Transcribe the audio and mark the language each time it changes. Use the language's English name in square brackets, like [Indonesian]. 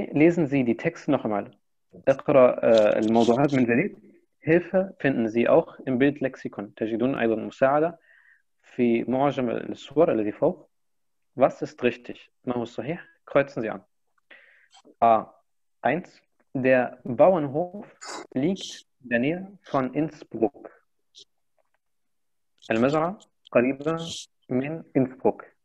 [German] lesen Sie die Texte noch einmal. [Arabic] اقرأ الموضوعات من جديد. [German] Hilfe finden Sie auch im Bildlexikon. [Arabic] تجدون أيضا مساعدة في معجم الصور الذي فوق. [German] Was ist richtig? [Arabic] ما هو الصحيح؟ [German] Kreuzen Sie an. A. 1. Der Bauernhof liegt in der Nähe von Innsbruck. [Arabic] المزرعة قريبة من Innsbruck.